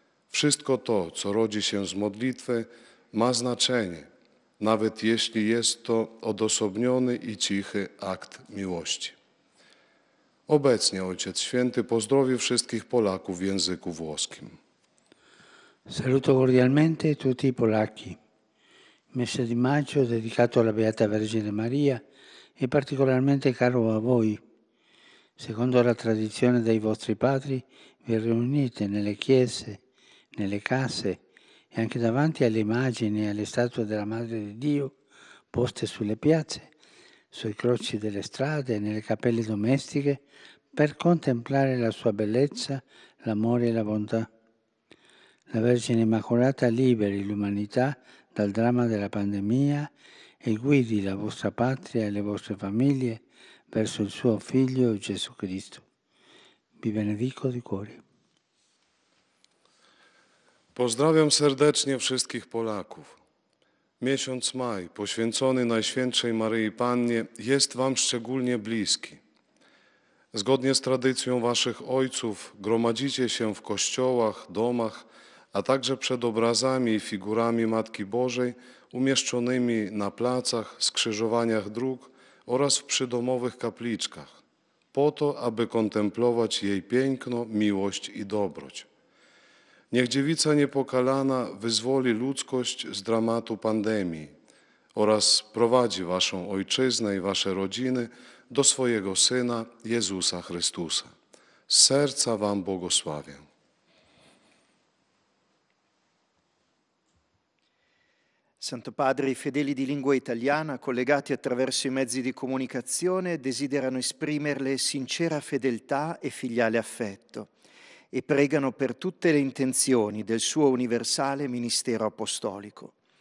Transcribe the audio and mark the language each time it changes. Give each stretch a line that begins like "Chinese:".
Polish: Wszystko to, co rodzi się z modlitwy, ma znaczenie, nawet jeśli jest to odosobniony i cichy akt miłości. Obecnie Ojciec Święty pozdrowi wszystkich Polaków w języku włoskim.
Italian: Saluto cordialmente tutti i Polacchi. Messa di maggio dedicato alla Beata Vergine Maria e particolarmente caro a voi. Secondo la tradizione dei vostri padri, vi riunite nelle chiese, nelle case e anche davanti alle immagini e alle statue della Madre di Dio poste sulle piazze, sui croci delle strade e nelle cappelle domestiche per contemplare la sua bellezza, l'amore e la bontà. La Vergine Immacolata liberi l'umanità dal dramma della pandemia e guidi la vostra patria e le vostre famiglie verso il suo Figlio Gesù Cristo. Vi benedico di cuore.
Polish: Pozdrawiam serdecznie wszystkich Polaków. Miesiąc maj, poświęcony Najświętszej Maryi Pannie, jest wam szczególnie bliski. Zgodnie z tradycją waszych ojców, gromadzicie się w kościołach, domach, a także przed obrazami i figurami Matki Bożej umieszczonymi na placach, skrzyżowaniach dróg oraz w przydomowych kapliczkach, po to, aby kontemplować jej piękno, miłość i dobroć. Niech Dziewica Niepokalana wyzwoli ludzkość z dramatu pandemii oraz prowadzi waszą ojczyznę i wasze rodziny do swojego Syna, Jezusa Chrystusa. Z serca wam błogosławię.
Italian: Santo Padre, i fedeli di lingua italiana, collegati attraverso i mezzi di comunicazione, desiderano esprimerle sincera fedeltà e filiale affetto e pregano per tutte le intenzioni del suo universale ministero apostolico.